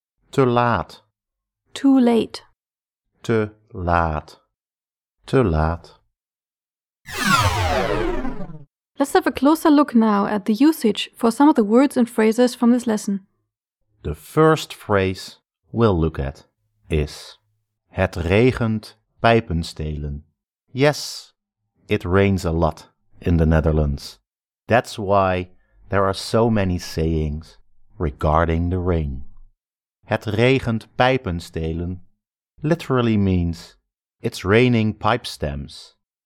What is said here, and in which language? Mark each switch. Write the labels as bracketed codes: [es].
[nl] Te laat. [en] Too late. [nl] Te laat. Te laat. [en] Let's have a closer look now at the usage for some of the words and phrases from this lesson. The first phrase we'll look at is... [nl] Het regent pijpen stelen. [en] Yes, it rains a lot in the Netherlands. That's why there are so many sayings regarding the rain. [nl] Het regent pijpen stelen [en] literally means it's raining pipe stems.